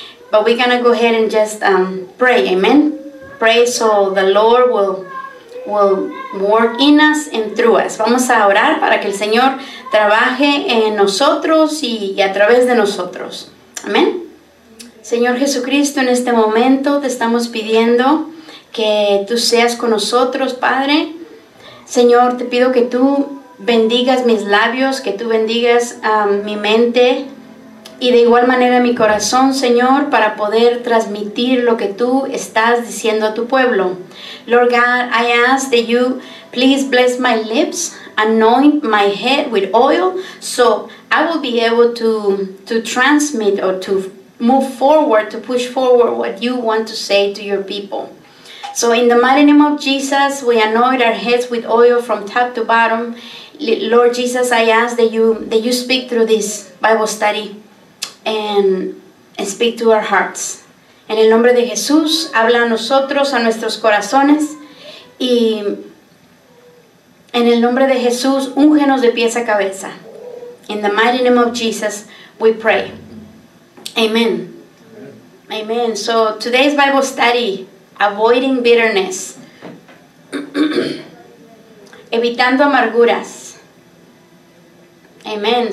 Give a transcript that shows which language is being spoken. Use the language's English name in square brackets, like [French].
[English] But we're going to go ahead and just pray. Amen. Pray so the Lord will work in us and through us. [Spanish] Vamos a orar para que el Señor trabaje en nosotros y a través de nosotros. Amén. Señor Jesucristo, en este momento te estamos pidiendo que tú seas con nosotros, Padre. Señor, te pido que tú bendigas mis labios, que tú bendigas mi mente y de igual manera mi corazón, Señor, para poder transmitir lo que tú estás diciendo a tu pueblo. [English] Lord God, I ask that you please bless my lips, anoint my head with oil, so I will be able to transmit or to move forward, to push forward what you want to say to your people. So in the mighty name of Jesus, we anoint our heads with oil from top to bottom. Lord Jesus, I ask that you speak through this Bible study and speak to our hearts. [Spanish] En el nombre de Jesús, habla a nosotros, a nuestros corazones, y en el nombre de Jesús, úngenos de pies a cabeza. [English] In the mighty name of Jesus, we pray. Amen. Amen. Amen. So, today's Bible study, Avoiding Bitterness. [Spanish] Evitando amarguras. Amen.